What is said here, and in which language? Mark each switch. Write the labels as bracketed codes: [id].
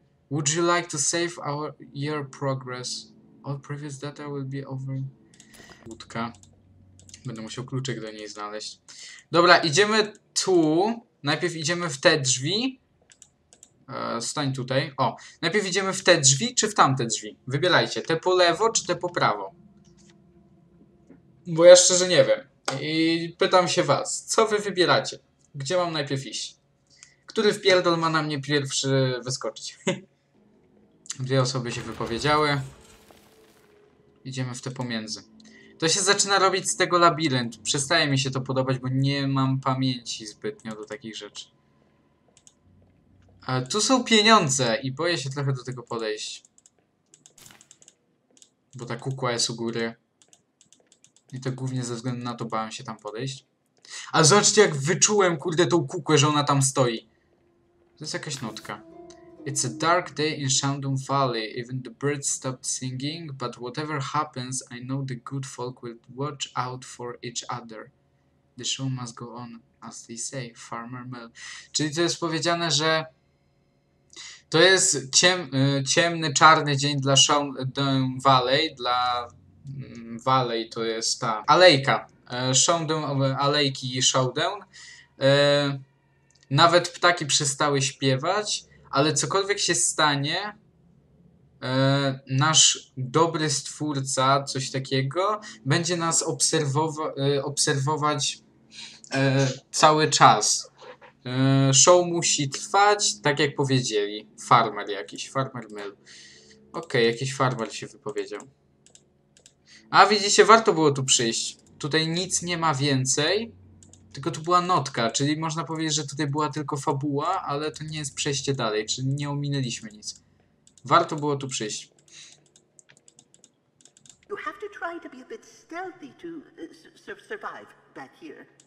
[en] Would you like to save your progress? All previous data will be over. Łódka. [pl] Będę musiał kluczyk do niej znaleźć. Dobra, idziemy tu. Najpierw idziemy w te drzwi. Stań tutaj. O, najpierw idziemy w te drzwi czy w tamte drzwi? Wybierajcie, te po lewo czy te po prawo? Bo ja szczerze nie wiem. I pytam się was, co wy wybieracie? Gdzie mam najpierw iść? Który wpierdol ma na mnie pierwszy wyskoczyć? Dwie osoby się wypowiedziały. Idziemy w te pomiędzy. To się zaczyna robić z tego labirynt. Przestaje mi się to podobać, bo nie mam pamięci zbytnio do takich rzeczy. A tu są pieniądze i boję się trochę do tego podejść. Bo ta kukła jest u góry. I to głównie ze względu na to bałem się tam podejść. A zobaczcie, jak wyczułem, kurde, tą kukłę, że ona tam stoi. To jest jakaś notka. [en] It's a dark day in Shandong Valley. Even the birds stopped singing, but whatever happens, I know the good folk will watch out for each other. The show must go on, as they say, Farmer Mel. [pl] Czyli to jest powiedziane, że to jest ciemny, czarny dzień dla Shandong Valley. Valley to jest ta alejka. Shandong, alejki Shandong. Nawet ptaki przestały śpiewać. Ale cokolwiek się stanie, nasz dobry stwórca, coś takiego, będzie nas obserwować cały czas. Show musi trwać, tak jak powiedzieli. Farmer jakiś, Farmer Mel. Okej, jakiś farmer się wypowiedział. A widzicie, warto było tu przyjść. Tutaj nic nie ma więcej. Tylko tu była notka, czyli można powiedzieć, że tutaj była tylko fabuła, ale to nie jest przejście dalej, czyli nie ominęliśmy nic. Warto było tu przyjść. [en] You have to try to be a bit stealthy to survive back here.